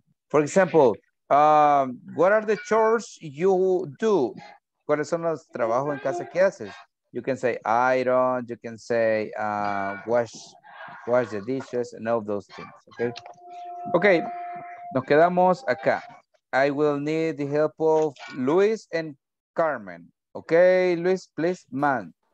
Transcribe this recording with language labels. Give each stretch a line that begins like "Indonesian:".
English: For example, what are the chores you do?
Spanish: ¿Cuáles son los trabajos en casa que haces?
English: You can say iron. You can say wash the dishes and all those things, okay? Okay,
Spanish: nos quedamos acá.
English: I will need the help of Luis and Carmen. Okay, Luis, please, man.